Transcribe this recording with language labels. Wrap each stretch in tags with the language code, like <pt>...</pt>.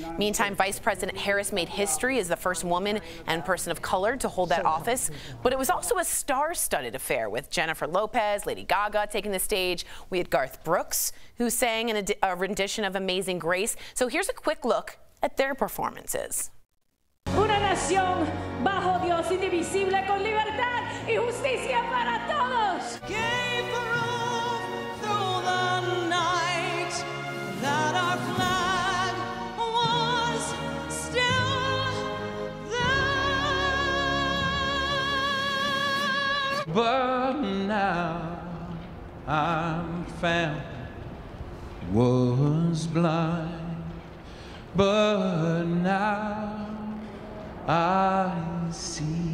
<en>Meantime, Vice President Harris made history as the first woman and person of color to hold that office. But it was also a star-studded affair, with Jennifer Lopez, Lady Gaga taking the stage. We had Garth Brooks, who sang in a rendition of Amazing Grace. So here's a quick look at their performances.</en> <es>Una nación bajo Dios indivisible con libertad y justicia para todos.</es> <en>Gave birth through the night that our flag was still there. But now I'm found, was blind, but now I see.</en>